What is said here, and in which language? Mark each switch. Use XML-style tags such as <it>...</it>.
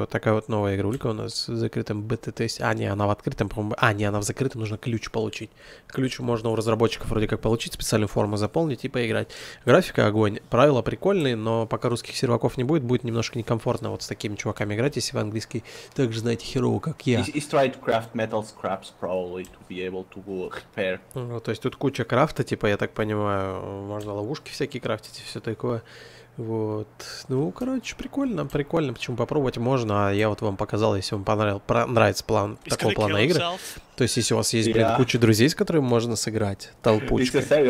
<ru>Вот такая вот новая игрулька у нас в закрытом бета-тесте. А, не, она в открытом, по-моему, она в закрытом, нужно ключ получить. Ключ можно у разработчиков вроде как получить, специальную форму заполнить и поиграть. Графика огонь, правила прикольные, но пока русских серваков не будет, будет немножко некомфортно вот с такими чуваками играть, если вы английский так же знаете херово, как я.</ru> <en>He's trying to craft metal scraps, probably, to be able to go repair.</en> <ru>Ну, то есть тут куча крафта, типа, я так понимаю, можно ловить. Пушки всякие крафтить и все такое. Вот. Ну, короче, прикольно, прикольно. Почему попробовать можно? А я вот вам показал, если вам понравится план</ru> <en>He's</en> <ru>такого плана игры. То есть, если у вас есть, блин, куча друзей, с которыми можно сыграть толпучкой.</ru>